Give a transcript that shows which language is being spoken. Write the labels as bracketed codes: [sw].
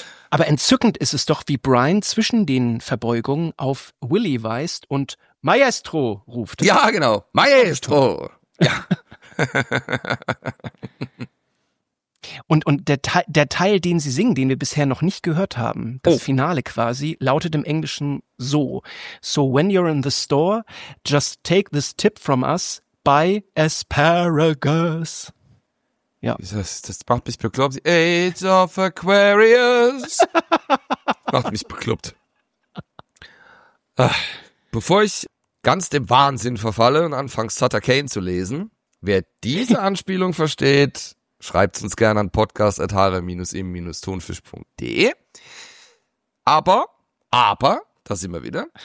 [de] Aber entzückend ist es doch, wie Brian zwischen den Verbeugungen auf Willie weist und Maestro ruft. Ja, genau. Maestro. Ja. Und der Teil, den sie singen, den wir bisher noch nicht gehört haben, das Finale quasi, lautet im Englischen so. [en] So when you're in the store, just take this tip from us, buy asparagus. [de] Ja. Das macht mich bekloppt. Age of Aquarius. Macht mich bekloppt. Ach, bevor ich ganz dem Wahnsinn verfalle und anfange Sutter Kane zu lesen, wer diese Anspielung versteht, schreibt uns gerne an podcast@hare-im-tonfisch.de. Aber da sind wir wieder.